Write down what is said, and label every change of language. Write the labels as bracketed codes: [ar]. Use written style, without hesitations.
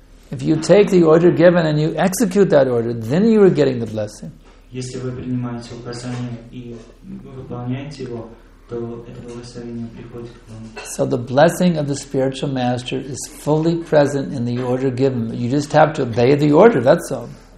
[en] If you take the order given and you execute that order, then you are getting the blessing. [ru] Если вы принимаете указание и выполняете его, [en] So the blessing of the spiritual master is fully present in the order given. You just have to obey the order, that's all.